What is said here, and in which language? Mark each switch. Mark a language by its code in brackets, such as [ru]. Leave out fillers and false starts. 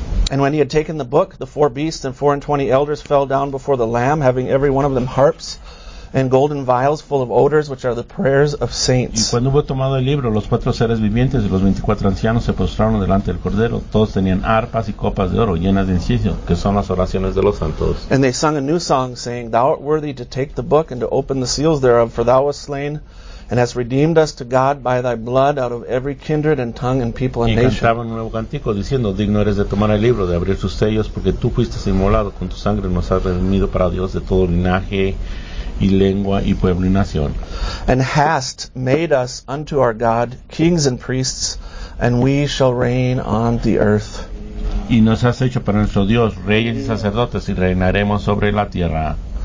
[en] And when he had taken the book, the four beasts and 24 elders fell down before the Lamb, having every one of them harps and golden vials full of odors, which are the prayers of saints. [es] Y cuando hubo tomado el libro, los cuatro seres vivientes y los 24 ancianos se postraron delante del Cordero. Todos tenían arpas y copas de oro llenas de incienso, que son las oraciones de los santos. [en] And they sung a new song, saying, Thou art worthy to take the book and to open the seals thereof, for thou wast slain and hast redeemed us to God by thy blood out of every kindred and tongue and people and nation. [es] Y cantaban un nuevo cántico diciendo, Digno eres de tomar el libro, de abrir sus sellos, porque tú fuiste inmolado con tu sangre, nos has redimido para Dios de todo linaje y lengua y pueblo y nación. [en] And hast made us unto our God kings and priests, and we shall reign on the earth. [es] Y nos has hecho para nuestro Dios reyes y sacerdotes, y reinaremos sobre la tierra.